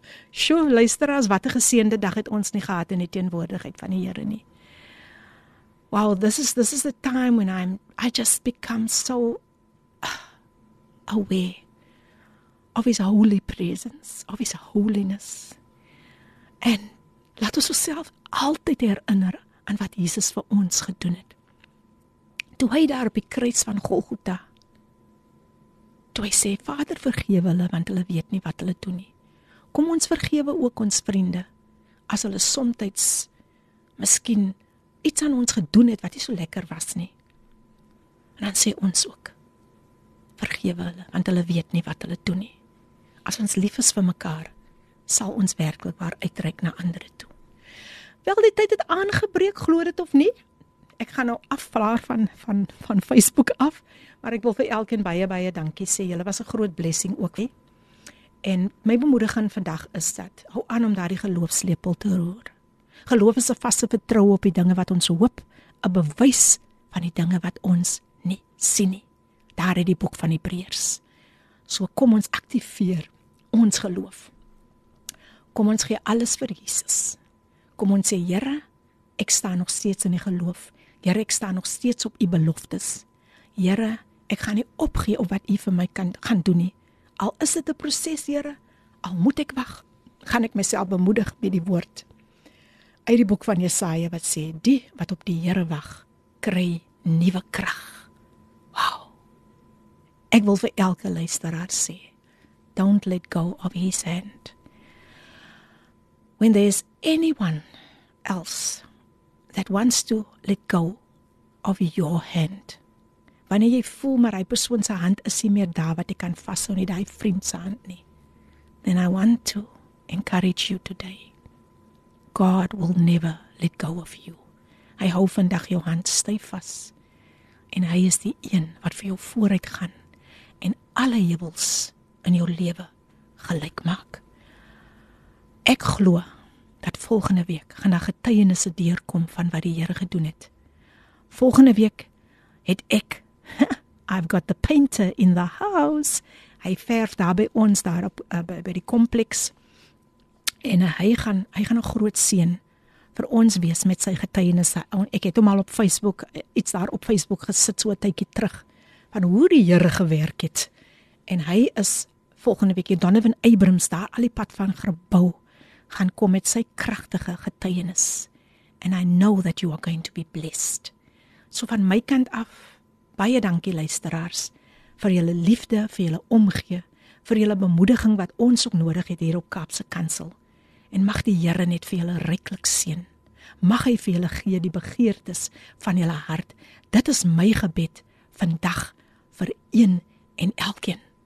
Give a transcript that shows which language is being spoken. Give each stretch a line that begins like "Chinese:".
Afrikaans: Sjoe, luisteraars, wat 'n geseënde dag het ons nie gehad in die teenwoordigheid van die Here nie.
English: Wow, this is the time when I just become so aware of His holy presence, of His holiness.
Afrikaans: En laat ons osself altyd herinner aan wat Jesus vir ons gedoen het. Toe hy daar op die kruis van Golgotha, toe hy sê, Vader, vergewe hulle, want hulle weet nie wat hulle doen nie. Kom ons vergewe ook ons vriende, as hulle somtyds miskien iets aan ons gedoen het wat nie so lekker was nie. En dan sê ons ook, vergewe hulle, want hulle weet nie wat hulle doen nie. As ons lief is vir mekaar, sal ons werklik waar uitreik na ander toe. Wel, die tyd het aangebreek, glo dit of nie? Ek gaan nou afvlaar van Facebook af, maar ek wil vir elkeen baie dankie sê. Julle was 'n groot blessing ook, hè? En my bemoediging vandag is dat hou aan om daardie geloofslepel te roer. Geloof is 'n vaste vertroue op die dinge wat ons hoop, 'n bewys van die dinge wat ons nie sien nie. Daar het die boek van Hebreërs. So kom ons aktiveer ons geloof. Kom ons gee alles vir Jesus. Kom ons sê, Here, ek staan nog steeds in die geloof. Here, ek staan nog steeds op u beloftes. Here, ek gaan nie opgee op wat u vir my kan gaan doen nie. Al is dit 'n proses, Here, al moet ek wag, gaan ek myself bemoedig met die woord uit die boek van Jesaja wat sê, die wat op die Here wag, kry nuwe krag. Wow. Ek wil vir elke luisteraar sê, don't let go of his hand.
English: When there's anyone else that wants to let go of your hand.
Afrikaans: Wanneer jy voel maar hy persoon se hand is nie meer daar wat jy kan vashou nie, daai vriend se hand nie.
English: Then I want to encourage you today. God will never let go of you.
Afrikaans: Hy hou vandag jou hand styf vas. En hy is die een wat vir jou vooruit gaan en alle hewels in jou lewe gelyk maak. Ek glo dat volgende week gaan daar getuienisse deurkom van wat die Here gedoen het.
English: Volgende week het ek, I've got the painter in the house.
Afrikaans: Hy verf daar by ons, daar op, by die kompleks. En hy gaan 'n groot seën vir ons wees met sy getuienisse. Ek het hom al op Facebook, iets daar op Facebook gesit so 'n tydjie terug, van hoe die Here gewerk het. En hy is volgende week, Donovan Abrams, daar al die pad van gebou, gaan kom met sy kragtige getuienis.
English: And I know that you are going to be blessed.
Afrikaans: So van my kant af, baie dankie luisteraars, vir julle liefde, vir julle omgee, vir julle bemoediging wat ons ook nodig het hier op Kaapse Kansel. En mag die Here net vir julle ryklik seën. Mag hy vir julle gee die begeertes van julle hart. Dit is my gebed vandag vir een en elkeen.